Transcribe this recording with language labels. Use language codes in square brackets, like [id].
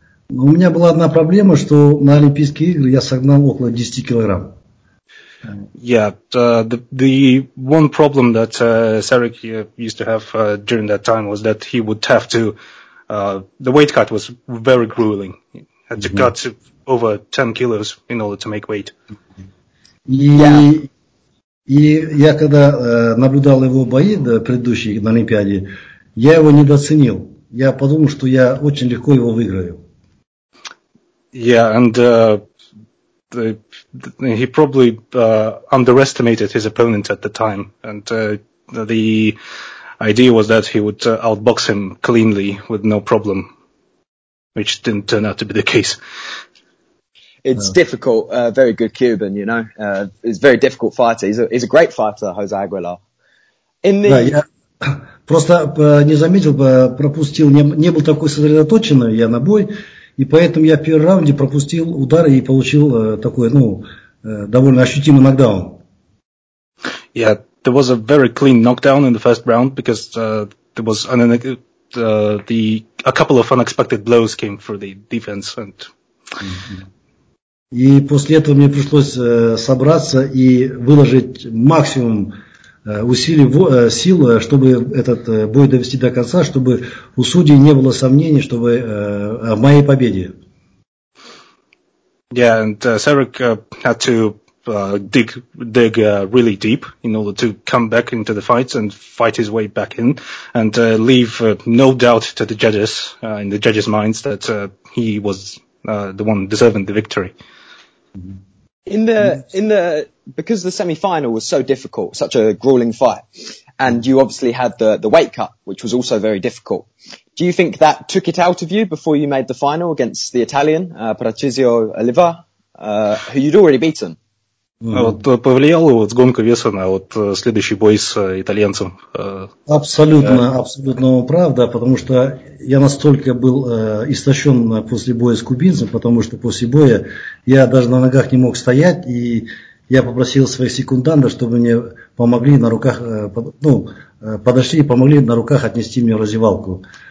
[ru] У меня была одна проблема, что на Олимпийские игры я согнал около 10 килограмм. [en] The one problem that Serik used to have during that time was that he would have to... the weight cut was very grueling. He had to cut over 10 kilos in order to make weight. [ru] И я когда наблюдал его бои предыдущие на Олимпиаде, я его недооценил. Я подумал, что я очень легко его выиграю. [en] Yeah, and he probably underestimated his opponent at the time, and the idea was that he would outbox him cleanly with no problem, which didn't turn out to be the case. It's difficult, very good Cuban, you know. He's a very difficult fighter. He's a great fighter, Jose Aguilar. [ru] Просто не заметил, пропустил, не был такой сосредоточенный я на бой. И поэтому я в первом раунде пропустил удар и получил такой, ну, довольно ощутимый нокдаун. [en] Yeah, there was a very clean knockdown in the first round because there was a couple of unexpected blows came for the defense. And... [ru] И после этого мне пришлось собраться и выложить максимум усилий, сил, чтобы этот бой довести до конца, чтобы у судей не было сомнений, чтобы о моей победе. [en] Yeah, and Serik had to dig really deep in order to come back into the fight and fight his way back in and leave no doubt to the judges, in the judges' minds that he was the one deserving the victory. Because the semi-final was so difficult, such a grueling fight, and you obviously had the weight cut, which was also very difficult. Do you think that took it out of you before you made the final against the Italian, Patrizio Oliva, who you'd already beaten? [ru] Повлияло вот гонка веса на вот следующий бой с итальянцем? Абсолютно, абсолютно правда, потому что я настолько был истощен после боя с кубинцем, потому что после боя я даже на ногах не мог стоять, и я попросил своих секундантов, чтобы мне помогли на руках, подошли и помогли на руках отнести мне раздевалку.